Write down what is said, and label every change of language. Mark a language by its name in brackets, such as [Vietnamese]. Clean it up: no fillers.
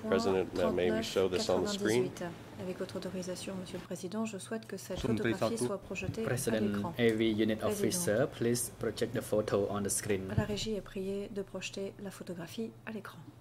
[English] President, may we show this on the screen? [French] Avec votre autorisation, Monsieur le Président, je souhaite que cette photographie soit projetée [English] President, [French] à l'écran. [English] President, AV unit President. Officer, please project the photo on the screen. [French] La régie est priée de projeter la photographie à l'écran.